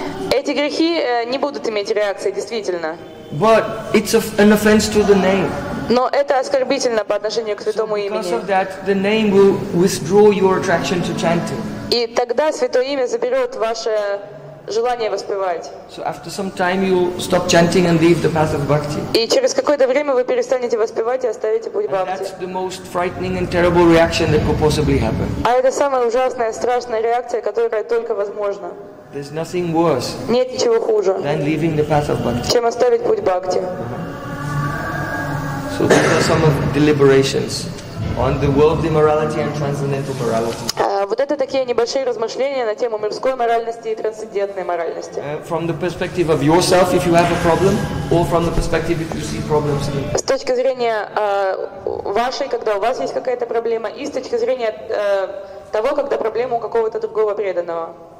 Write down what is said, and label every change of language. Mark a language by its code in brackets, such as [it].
[ru] Эти грехи не будут иметь реакции, действительно. [en] But it's an offense to the name. [ru] Но это оскорбительно по отношению к святому имени. [en] Because of that, the name will withdraw your attraction to chanting. [ru] И тогда святое имя заберет ваше желание воспевать. [en] So after some time, you stop chanting and leave the path of bhakti. [ru] И через какое-то время вы перестанете воспевать и оставите путь бхакти. [en] That's the most frightening and terrible reaction that could possibly happen. [ru] А это самая ужасная, страшная реакция, которая только возможна. [en] There's nothing worse. [ru] Нет ничего хуже. [en] Than leaving the path of bhakti. [ru] Чем оставить путь бхакти. [en] So these are some of the deliberations on the worldly morality and transcendental morality. [ru] Вот это такие небольшие размышления на тему мирской моральности и трансцендентной моральности. [en] From the perspective of yourself, if you have a problem, or from the perspective if you see problems. [ru] С точки зрения вашей, когда у вас есть какая-то проблема, и с точки зрения того, когда проблема у какого-то другого преданного.